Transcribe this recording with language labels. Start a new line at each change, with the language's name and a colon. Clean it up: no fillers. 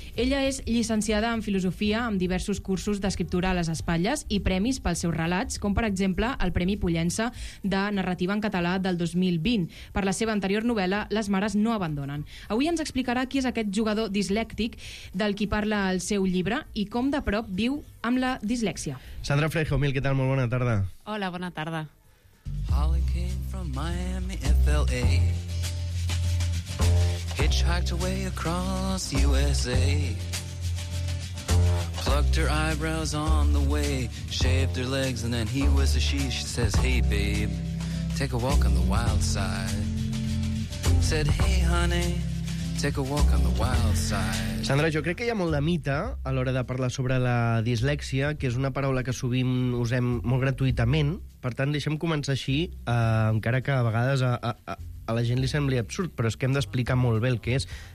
Catalan: Ella és llicenciada en filosofia amb diversos cursos d'escriptura a les espatlles i premis pels seus relats, com per exemple el Premi Pollença de Narrativa en Català del 2020 per la seva anterior novel·la Les mares no abandonen. Avui ens explicarà qui és aquest jugador dislèctic del qui parla el seu llibre i com de prop viu amb la dislèxia. Sandra Freijomil, què tal? Molt bona tarda. Hola, bona tarda.
English: Holly came from Miami, FLA. Hitchhiked away across USA. Plucked her eyebrows on the way. Shaved her legs and then he was a she. She says, hey babe, take a walk on the wild side. Said, hey honey, take a walk on the wild side.
Catalan: Sandra, jo crec que hi ha molt de mite a l'hora de parlar sobre la dislèxia, que és una paraula que sovint usem molt gratuïtament. Per tant, deixem començar així, encara que a vegades a la gent li sembli absurd, però és que hem d'explicar molt bé el que és.